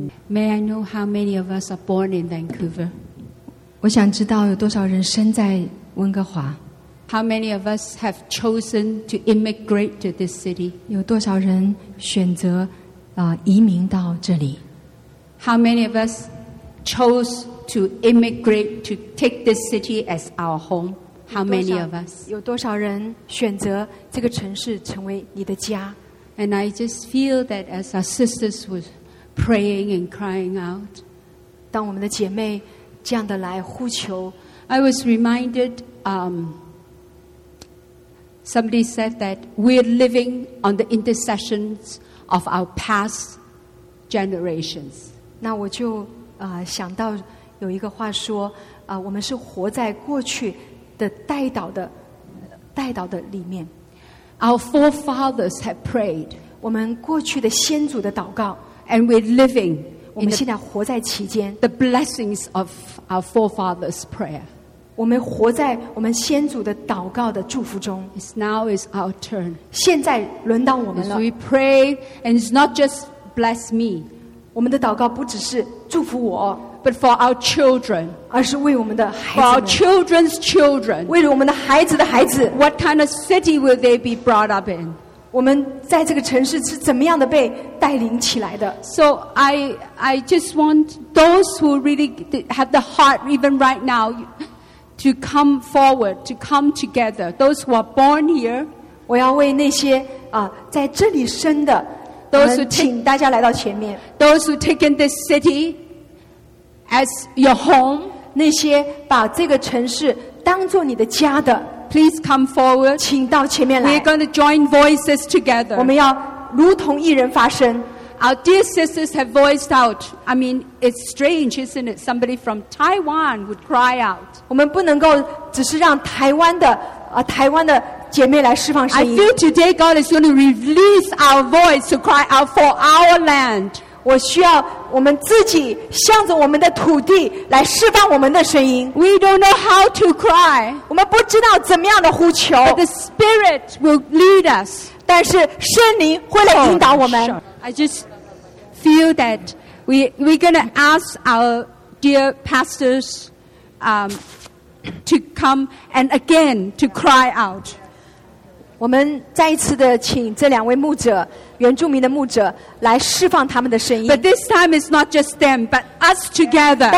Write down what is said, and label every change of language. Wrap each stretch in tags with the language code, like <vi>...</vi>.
<en>May I know how many of us are born in Vancouver?</en> <zh>我想知道有多少人生在温哥华。</zh> <en>How many of us have chosen to immigrate to this city?</en> <zh>有多少人选择移民到这里。</zh> <en>How many of us chose to immigrate to take this city as our home? How many of us?</en> <zh>有多少人选择这个城市成为你的家。</zh> <en>And I just feel that as our sisters would. Praying and crying out.</en> <zh>当我们的姐妹这样的来呼求</zh> <en>I was reminded, somebody said that we're living on the intercessions of our past generations.</en> <zh>那我就想到有一个话说我们是活在过去的代祷的里面。</zh> <en>Our forefathers have prayed.</en> <zh>我们过去的先祖的祷告</zh> <en>And we're living.</en> <zh>我们现在活在其间。</zh> <en>The blessings of our forefathers' prayer.</en> <zh>我们活在我们先祖的祷告的祝福中。</zh> <en>It's now is our turn.</en> <zh>现在轮到我们了。</zh> <en>As we pray, and it's not just bless me.</en> <zh>我们的祷告不只是祝福我。</zh> <en>But for our children.</en> <zh>而是为我们的孩子们。</zh> <en>For our children's children.</en> <zh>为了我们的孩子的孩子。</zh> <en>What kind of city will they be brought up in?</en> <zh>我们在这个城市是怎么样的被带领起来的</zh> <en>So I just want those who really have the heart even right now to come forward to come together those who are born here</en> <zh>我要为那些在这里生的</zh> <en>those who</en> <zh>请大家来到前面</zh> <en>those who taken this city as your home</en> <zh>那些把这个城市当作你的家的</zh> <en>Please come forward.</en> <zh>请到前面来。</zh> <en>We're going to join voices together.</en> <zh>我们要如同一人发声。</zh> <en>Our dear sisters have voiced out. I mean, it's strange, isn't it? Somebody from Taiwan would cry out.</en> <zh>我们不能够只是让台湾的姐妹来释放声音。</zh> <en>I feel today God is going to release our voice to cry out for our land.</en> <zh>我需要我们自己向着我们的土地来释放我们的声音。</zh> <en>We don't know how to cry.</en> <zh>我们不知道怎么样的呼求。</zh> <en>But the Spirit will lead us.</en> <zh>但是圣灵会来引导我们。</zh> <en>I just feel that we're going to ask our dear pastors, to come and again to cry out.</en> <zh>我们再一次的请这两位牧者。原住民的牧者来释放他们的声音。</zh> <en>But this time it's not just them, but us together.</en>